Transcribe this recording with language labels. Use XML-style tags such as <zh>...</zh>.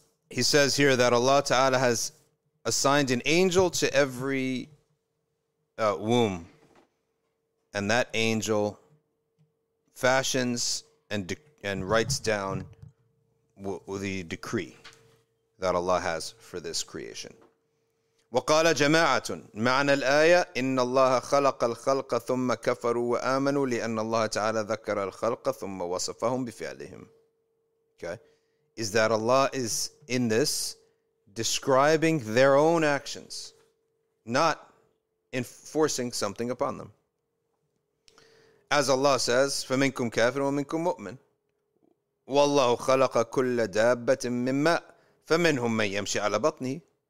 <en>He says here that Allah Ta'ala has assigned an angel to every womb, and that angel fashions and writes down the decree that Allah has for this creation.</en> <ar>وقال جماعة معنى الآية إن الله خلق الخلق ثم كفروا وآمنوا لأن الله تعالى ذكر الخلق ثم وصفهم بفعلهم.</ar> <en>Okay, is that Allah is in this describing their own actions, not enforcing something upon them. As Allah says,</en> <ar>فمنكم كافر ومنكم مؤمن. والله خلق كل دابة مما فمنهم من يمشي على بطنه.</ar>